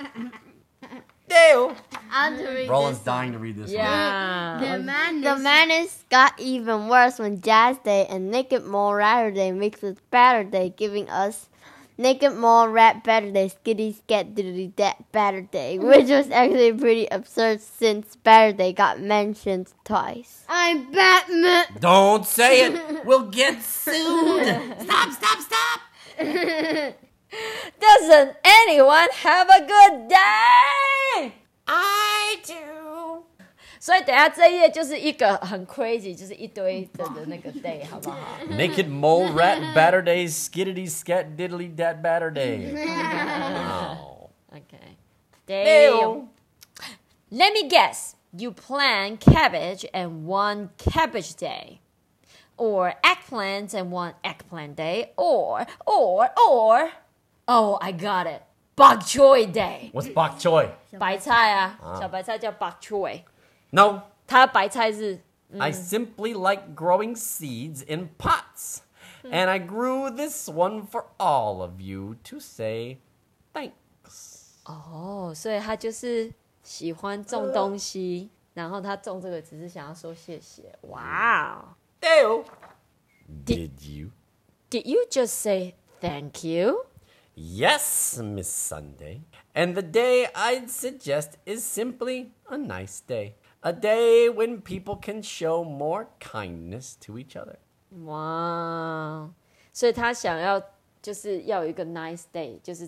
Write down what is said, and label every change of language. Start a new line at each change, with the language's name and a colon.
Chinese: 其实这些dogs很有idea。
English: Roland's dying to read this one. The man is... The man is got even worse when Jazz Day and Naked Mole Rat Day makes it better day, giving us Naked Mole Rat Better Day, Skitty Skat Diddy Dat Better Day, which was actually pretty absurd since Better Day got mentioned twice. I'm Batman! Don't say it! We'll get sued! Stop, stop, stop! Doesn't anyone have a good day? I do.
Chinese: 所以等一下这一页就是一个很 crazy， 就是一堆的那个 day， 好不好
English: ？Naked mole rat batter day， skittity scat diddly dat batter day。 Okay， damn。 Let me guess， you plan cabbage and one cabbage day， or eggplant and one eggplant day， or oh， I got it。 Bok choy day. What's bok choy?
Chinese: 白菜啊，小白菜叫 bok choy.
English: No.
Chinese: 它白菜是.
English: I simply like growing seeds in pots, and I grew this one for all of you to say thanks.
Chinese: Oh, 所以他就是喜欢种东西，然后他种这个只是想要说谢谢.
English: Wow. Dale. Did you? Did you just say thank you? Yes, Miss Sunday. And the day I'd suggest is simply a nice day. A day when people can show more kindness to each other. Wow.
Chinese: 所以他想要就是要有一个
English: nice day.